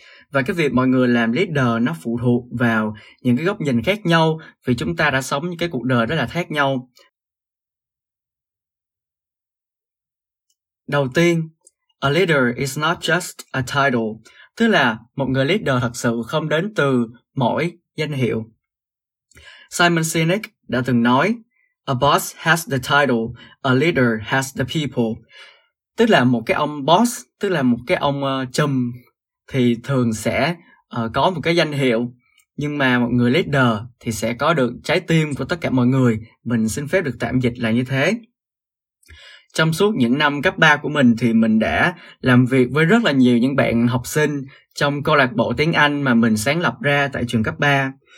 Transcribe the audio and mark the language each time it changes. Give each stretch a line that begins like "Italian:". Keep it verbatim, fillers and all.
Vietnamese: Và cái việc mọi người làm leader nó phụ thuộc vào những cái góc nhìn khác nhau, vì chúng ta đã sống những cái cuộc đời rất là khác nhau. Đầu tiên,
English: a leader is not just a title.
Vietnamese: Tức là một người leader thật sự không đến từ mỗi danh hiệu.
English: Simon Sinek
Vietnamese: đã từng nói,
English: a boss has the title, a leader has the people.
Vietnamese: Tức là một cái ông boss, tức là một cái ông uh, chùm thì thường sẽ uh, có một cái danh hiệu. Nhưng mà một người leader thì sẽ có được trái tim của tất cả mọi người. Mình xin phép được tạm dịch là như thế. Trong suốt những năm cấp ba của mình thì mình đã làm việc với rất là nhiều những bạn học sinh trong câu lạc bộ tiếng Anh mà mình sáng lập ra tại trường cấp ba.